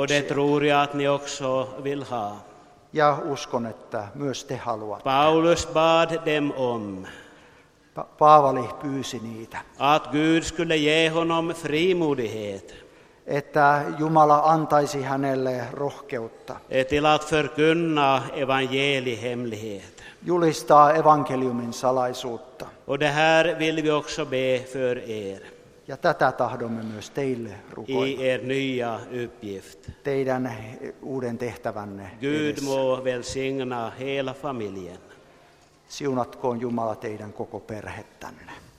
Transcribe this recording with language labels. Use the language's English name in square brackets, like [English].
[Swedish] Och det tror jag att ni också vill ha. [Finnish] Ja uskon, että myös te haluatte. [Swedish] Paulus bad dem om. [Finnish] Paavali pyysi niitä. [Swedish] Att Gud skulle ge honom frimodighet. [Finnish] Että Jumala antaisi hänelle rohkeutta. [Swedish] Till att förkunna evangelihemlighet. [Finnish] Julistaa evankeliumin salaisuutta. [Swedish] Och det här vill vi också be för er. [Finnish] Ja tätä tahdomme myös teille rukoilla. [Swedish] I er nya uppgift. [Finnish] Teidän uuden tehtävänne. [Swedish] Gud må välsigna hela familjen. [Finnish] Siunatkoon Jumala teidän koko perhettänne.